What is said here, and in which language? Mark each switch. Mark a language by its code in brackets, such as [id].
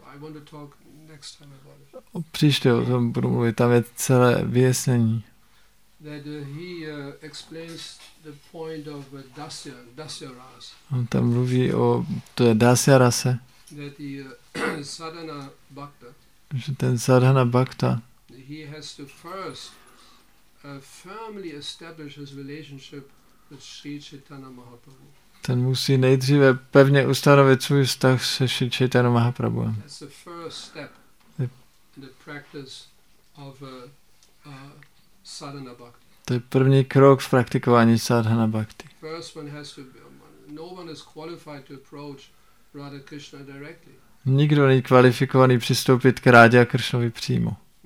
[en] I want to talk next time about it. [cs] O příště o tom budu mluvit. Tam je celé vyjasnění. [en] That he explains the point of dasya ras. [cs] On tam mluví o té dasya rase. [en] That the sadhana bhakta. [cs] Že ten sadhana bhakta, [en] he has to first firmly establish his relationship with Sri Chaitanya Mahaprabhu. [cs] Ten musí nejdříve pevně ustanovit svůj vztah se Sri Chaitanya Mahaprabhu. [en] That's the first step in the practice of sadhana bhakti. [cs] To je první krok v praktikování sadhana bhakti. [en] First one has to be, no one is qualified to approach Radha Krishna directly. [cs] Nikdo není kvalifikovaný přistoupit k Rádě a Kršnovi přímo.